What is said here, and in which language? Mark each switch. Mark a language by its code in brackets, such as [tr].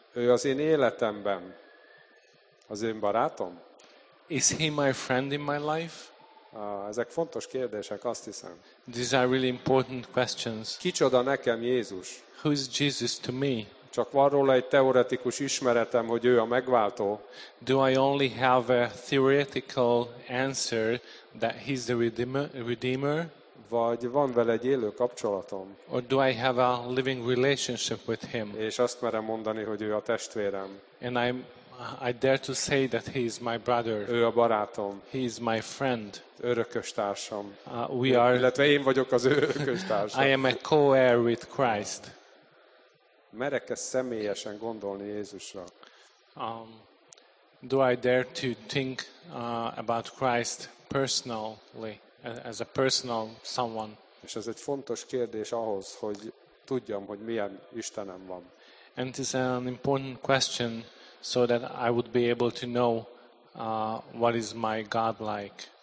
[hu] Ő az én életemben az én barátom? [en] Is he my friend in my life? [hu] Ezek fontos kérdések, azt hiszem. [en] These are really important questions. [hu] Kicsoda nekem Jézus? [en] Who is Jesus to me? [hu] Csak van róla egy teoretikus ismeretem, hogy ő a megváltó. [en] Do I only have a theoretical answer that he's the redeemer? [hu] Vagy van vele egy élő kapcsolatom? [en] Or do I have a living relationship with him? [hu] És azt merem mondani, hogy ő a testvérem. [en] And I dare to say that he is my brother. [hu] Ő a barátom. [en] He is my friend. [hu] Örökös társam. [en] We are. [hu] Illetve én vagyok az ő örökös társam. [en] I am a co-heir with Christ. [hu] Merek-e személyesen gondolni Jézusra? [en] Do I dare to think about Christ personally, as a personal someone? [hu] És ez egy fontos kérdés ahhoz, hogy tudjam, hogy milyen Istenem van. [en] And it's an important question so that I would be able to know what is my God like.